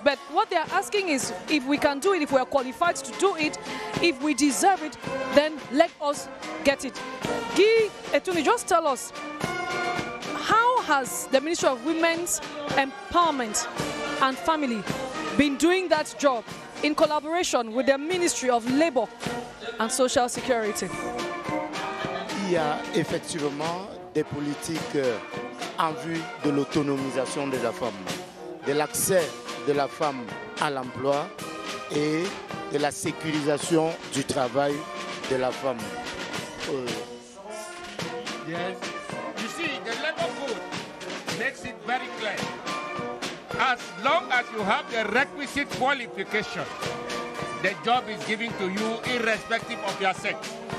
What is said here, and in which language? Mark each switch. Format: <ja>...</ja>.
<en>But what they are asking is, if we can do it, if we are qualified to do it, if we deserve it, then let us get it. Gi Etuni, just tell us, how has the Ministry of Women's Empowerment and Family been doing that job in collaboration with the Ministry of Labor and Social Security?</en> <fr>Il y a effectivement des politiques en vue de l'autonomisation de la femme, de l'accès de la femme à l'emploi et de la sécurisation du travail de la femme.</fr> <en>Yes. You see, the labor code makes it very clear. As long as you have the requisite qualification, the job is given to you irrespective of your sex.</en>